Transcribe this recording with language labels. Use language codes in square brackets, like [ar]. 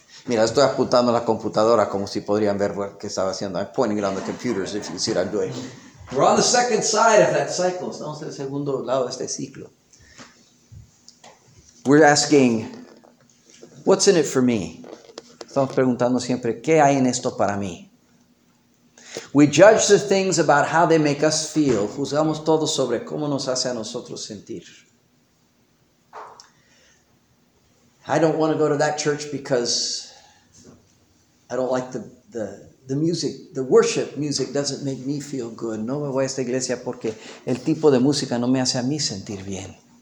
[es] Mira, estoy apuntando a la computadora como si podrían ver qué estaba haciendo. [en] I'm pointing it on the computers if you can see what I'm doing. We're on the second side of that cycle. [es] Estamos en el segundo lado de este ciclo. [en] We're asking, what's in it for me? [es] Estamos preguntando siempre, ¿qué hay en esto para mí? [en] We judge the things about how they make us feel. [es] Juzgamos todo sobre cómo nos hace a nosotros sentir. [en] I don't want to go to that church because I don't like the the music, the worship music doesn't make me feel good. [es] No me voy a esta iglesia porque el tipo de música no me hace a mí sentir bien.